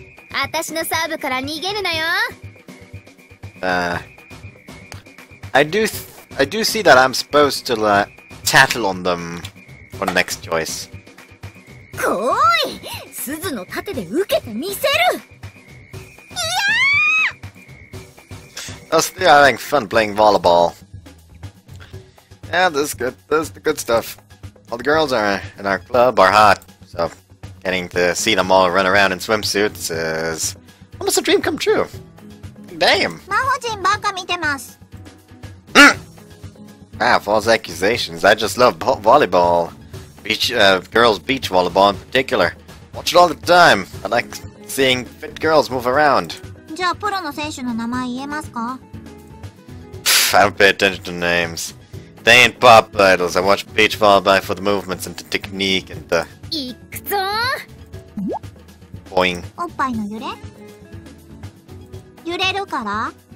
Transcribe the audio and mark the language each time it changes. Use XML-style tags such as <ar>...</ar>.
<ja>あたしのサーブから逃げるなよ。</ja> <en>I do see that I'm supposed to tattle on them for the next choice.</en> <ja>こーい、鈴の盾で受けてみせる。いや</ja> <en>ー、 I'm still having fun playing volleyball. Yeah, this is good. This is the good stuff. All the girls are in our club are hot, so getting to see them all run around in swimsuits is almost a dream come true. Damn!</en> <ja>マホジンばっか見てます。</ja> <en>Ah, false accusations. I just love volleyball. Girls beach volleyball in particular. Watch it all the time. I like seeing fit girls move around.</en> <ja>じゃあ、プロの選手の名前言えますか?</ja> <en>Pff, I don't pay attention to names. They ain't pop idols. I watch beach volleyball for the movements and the technique and the...</en> <ja>行くぞ!</ja> <en>Boing.</en> <ja>おっぱいの揺れ?揺れるから?</ja>